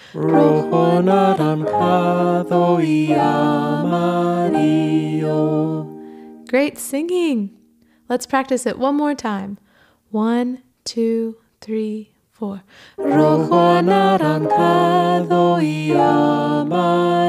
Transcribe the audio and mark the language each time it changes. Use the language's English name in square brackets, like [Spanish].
[Spanish] Rojo, anaranjado y amarillo. [English] Great singing. Let's practice it one more time. 1, 2, 3, 4. [Spanish] Rojo, anaranjado y amarillo.